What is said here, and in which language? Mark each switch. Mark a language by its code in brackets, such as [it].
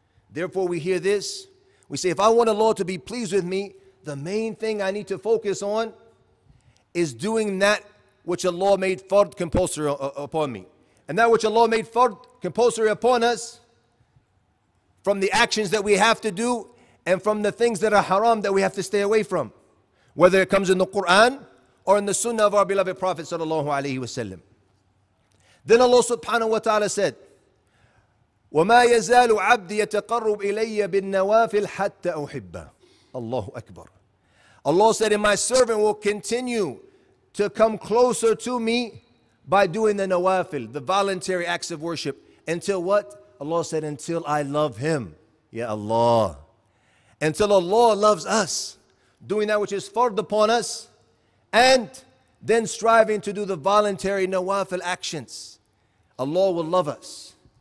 [en] Therefore, we hear this. We say, if I want Allah to be pleased with me, the main thing I need to focus on is doing that which Allah made fard compulsory upon me. And that which Allah made fard compulsory upon us, from the actions that we have to do and from the things that are haram that we have to stay away from, whether it comes in the Quran or in the Sunnah of our beloved Prophet sallallahu alaihi wasallam. Then Allah subhanahu wa ta'ala said, [ar] وَمَا يَزَالُ عَبْدِي يَتَقَرُّبْ إِلَيَّ بِالنَّوَافِلْ حَتَّى أُحِبَّهُ. Allahu Akbar. [en] Allah said, and my servant will continue to come closer to me by doing the nawafil, the voluntary acts of worship, until what? Allah said, until I love him. Ya Allah. Until Allah loves us, doing that which is fard upon us, and then striving to do the voluntary nawafil actions, Allah will love us.